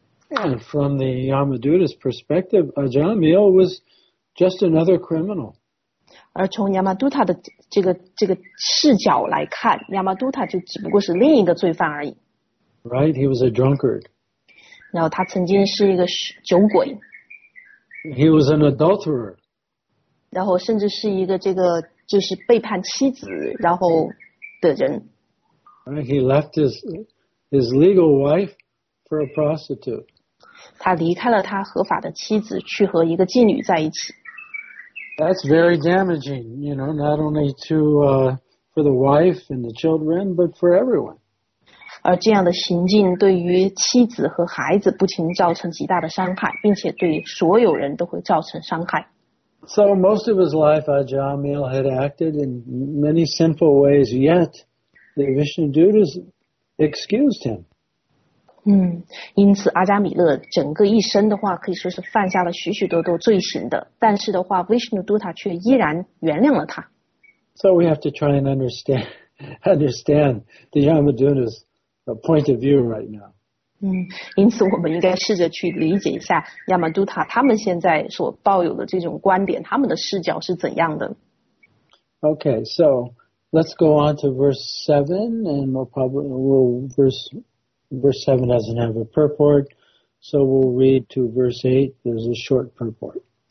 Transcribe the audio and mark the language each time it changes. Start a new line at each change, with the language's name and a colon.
English: And from the Yamadutas perspective, Ajamil was just another criminal.
Chinese: 而从 Yamaduta 的这个视角来看， Yamaduta 就只不过是另一个罪犯而已。
English: Right, he was a drunkard.
Chinese: 然后他曾经是一个酒鬼。
English: He was an adulterer.
Chinese: 然后甚至是一个这个就是背叛妻子然后的人。
English: Right, he left his legal wife for a prostitute.
Chinese: 他离开了他合法的妻子去和一个妓女在一起。
English: That's very damaging, you know, not only to, for the wife and the children, but for everyone.
Chinese: 而这样的行径对于妻子和孩子不仅造成极大的伤害，并且对所有人都会造成伤害。
English: So most of his life, Ajamil had acted in many sinful ways, yet the Vishnu Dutas excused him.
Chinese: 因此阿加米勒整个一生的话可以说是犯下了许许多多罪行的，但是的话 Vishnu Dutas 却依然原谅了他。
English: So we have to try and understand the Yamadutas. A point of view right now.
Chinese: 因此我们应该试着去理解一下亚玛都塔他们现在所抱有的这种观点，他们的视角是怎样的。
English: Okay, so let's go on to verse 7, and verse 7 doesn't have a purport, so we'll read to verse 8. There's a short purport.